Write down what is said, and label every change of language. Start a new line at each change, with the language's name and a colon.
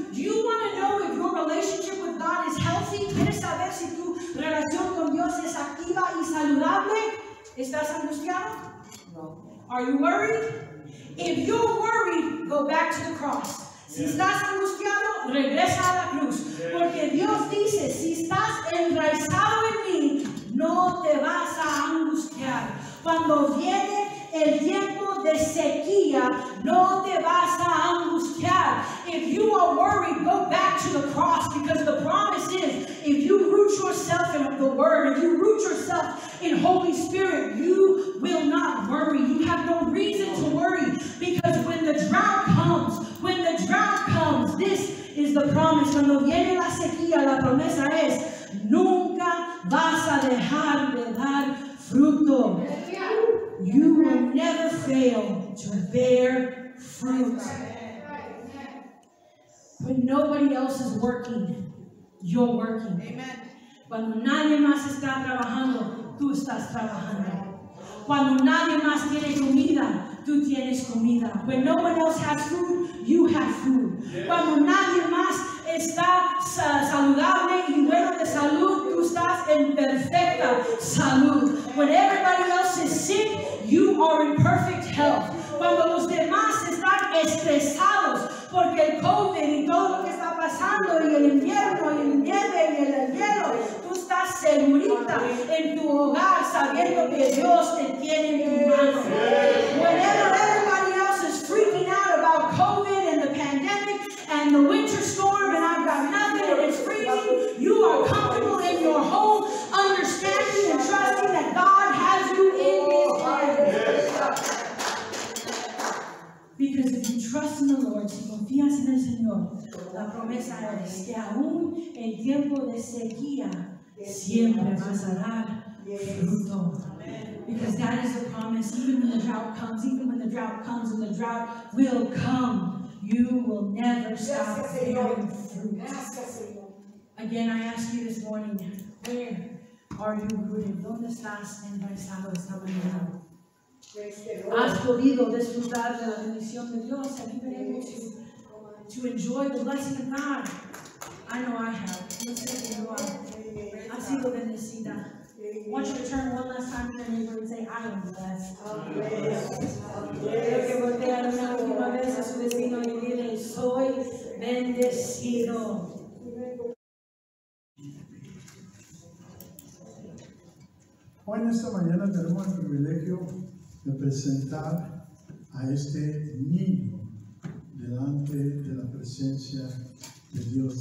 English: Do you want to know if your relationship with God is healthy?
Spanish: ¿Quieres saber si tu relación con Dios es activa y saludable? ¿Estás angustiado? No.
English: Are you worried? If you're worried, go back to the cross.
Spanish: Si estás angustiado, regresa a la cruz. Porque Dios dice, si estás enraizado en mí, no te vas a angustiar. Cuando viene el tiempo de sequía, no te vas a angustiar.
English: If you are worried, go back to the cross, because the promise is, if you root yourself in the word, if you root yourself in Holy Spirit, you will not worry. You have no reason to worry, because when the drought comes, when the drought comes, this is the promise.
Spanish: Cuando viene la sequía, la promesa es, nunca vas a dejar de dar fruto.
English: You will never fail to bear fruit. When nobody else is working, you're working. Amen.
Spanish: Cuando nadie más está trabajando, tú estás trabajando. Cuando nadie más tiene comida, tú tienes comida.
English: When no one else has food, you have food.
Spanish: Cuando nadie más está saludable y bueno de salud, tú estás en perfecta salud.
English: When everybody else is sick, you are in perfect health.
Spanish: Cuando los demás están estresados porque el COVID y todo lo que está pasando y el invierno y el nieve y el hielo, tú estás segurita en tu hogar sabiendo que Dios te tiene en tu mano.
English: Whenever everybody else is freaking out about COVID and the pandemic and the winter storm and I've got nothing and it's freezing, you are comfortable in your home, understanding and trusting that God has you in His hands. Because if you trust in the Lord,
Spanish: si confías en el Señor, la promesa es que aún en tiempo de sequía, siempre vas a dar fruto.
English: Because that is the promise, even when the drought comes, even when the drought comes and the drought will come, you will never stop bearing fruit. Again, I ask you this morning, where are you rooted?
Spanish: ¿Dónde estás enraizado esta mañana? ¿Has podido disfrutar de la bendición de Dios?
English: Have you been able to enjoy the blessing of God? I know I have.
Spanish: Ha sido bendecida.
English: I want you to turn one last time to your neighbor and say, I am blessed.
Spanish: Yo quiero voltear una última vez a su vecino y dile, soy bendecido. Hoy en esta mañana tenemos el privilegio de presentar a este niño delante de la presencia de Dios.